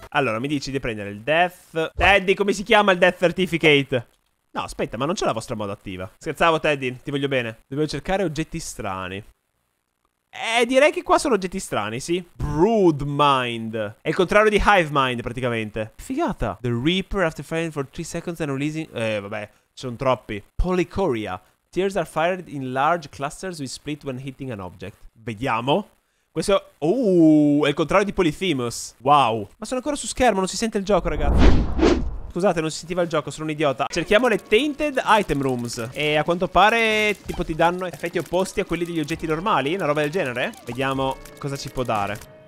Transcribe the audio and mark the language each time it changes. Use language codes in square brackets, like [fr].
[it] Allora, mi dici di prendere il Death... Teddy, come si chiama il Death Certificate? No, aspetta, ma non c'è la vostra moda attiva. Scherzavo, Teddy. Ti voglio bene. Dobbiamo cercare oggetti strani. Direi che qua sono oggetti strani, sì. Brood Mind. È il contrario di Hive Mind, praticamente. Figata. [en] The Reaper after firing for 3 seconds and releasing... [it] vabbè, ci sono troppi. [en] Polychoria. Tears are fired in large clusters we split when hitting an object. [it] Vediamo. Questo... è il contrario di Polyphemus. Wow. Ma sono ancora su schermo, non si sente il gioco, ragazzi. Scusate, non si sentiva il gioco, sono un idiota. Cerchiamo le Tainted Item Rooms. E a quanto pare, tipo, ti danno effetti opposti a quelli degli oggetti normali, una roba del genere. Vediamo cosa ci può dare.